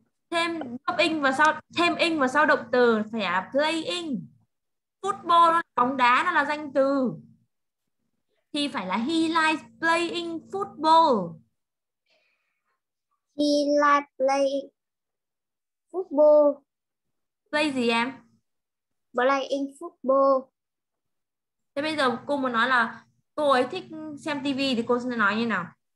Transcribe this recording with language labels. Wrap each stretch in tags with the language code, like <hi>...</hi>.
<vi>Thêm ing vào sau, thêm ing vào sau động từ phải là playing. Football nó là bóng đá, nó là danh từ. Thì phải là</vi> <en>he likes playing football. He likes playing football.</en> <vi>Play gì em?</vi> <en>Playing football.</en> <vi>Thế bây giờ cô muốn nói là cô ấy thích xem TV thì cô sẽ nói như nào?</vi>